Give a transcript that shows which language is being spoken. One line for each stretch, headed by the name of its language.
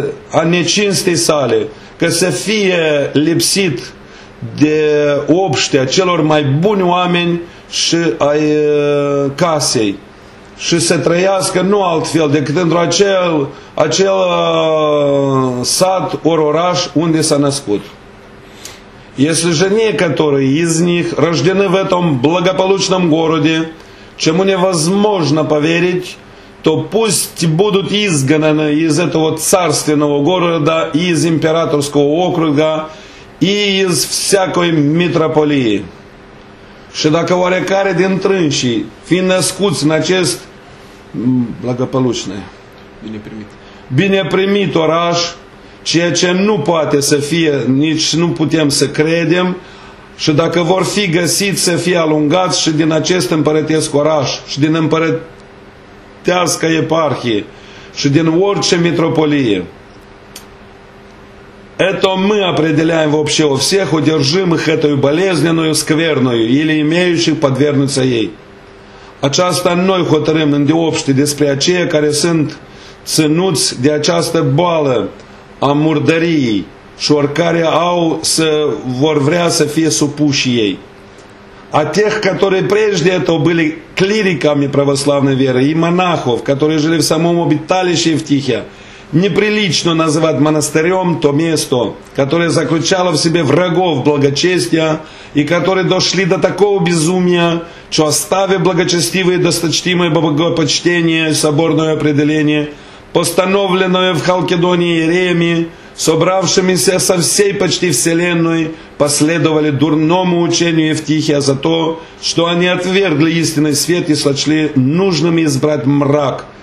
Romanian: a necinstei sale, că să fie lipsit de obștea celor mai buni oameni și ai casei și să trăiască nu altfel decât într-o acel sat ori oraș unde s-a născut.
Russian: Если же некоторые из них рождены в этом благополучном городе, чему невозможно поверить, то пусть будут изгнаны из этого царственного города, из императорского округа и из всякой митрополии.
Romanian: Și dacă oarecare din trânsii, fiind născuți în acest
Russian: благополучное.
Romanian: Bine primit oraș, ceea ce nu poate să fie, nici nu putem să credem, și dacă vor fi găsiți să fie alungați și din acest împărătesc oraș, și din împărătească eparhie, și din orice mitropolie.
Russian: Это мы определяем вообще у всех удержимых этой болезненную скверную или имеющих подвергнуться ей.
Romanian: Aceasta noi hotărâm îndeopște despre aceia care sunt ținuți de această boală a murdăriei și oricare au să vor vrea să fie supuși ei.
Russian: А тех, которые прежде этого были клириками православной веры и монахов, которые жили в самом обиталище Евтихия, неприлично называть монастырем то место, которое заключало в себе врагов благочестия и которые дошли до такого безумия, что оставив благочестивое и досточтимое богопочтение, соборное определение, постановленное в Халкедонии иереями, собравшимися со всей почти вселенной, последовали дурному учению Евтихия за то, что они отвергли истинный свет и сочли нужным избрать мрак.